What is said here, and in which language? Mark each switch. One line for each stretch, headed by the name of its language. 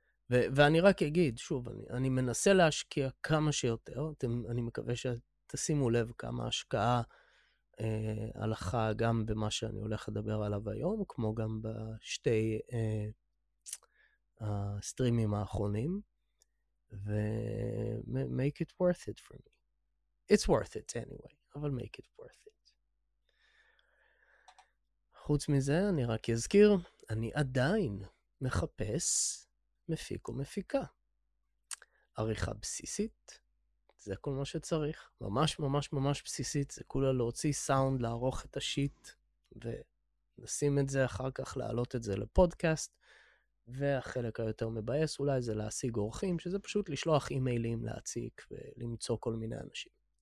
Hebrew: ואני רק אגיד, שוב, אני מנסה להשקיע כמה שיותר, אני מקווה שתשימו לב כמה השקעה הלכה גם במה שאני הולך לדבר עליו היום, כמו גם בשתי הסטרימים האחרונים, ו-
English: make it worth it for me. It's worth it anyway,
Hebrew: אבל
English: make it worth it.
Hebrew: חוץ מזה, אני רק אזכיר, אני עדיין מחפש מפיק או מפיקה. עריכה בסיסית, זה כל מה שצריך. ממש ממש ממש בסיסית, זה כולה להוציא סאונד, לערוך את השיט, ולשים את זה אחר כך, להעלות את זה לפודקאסט, והחלק היותר מבאס אולי זה להשיג אורחים, שזה פשוט לשלוח אימיילים להציק ולמצוא כל מיני אנשים.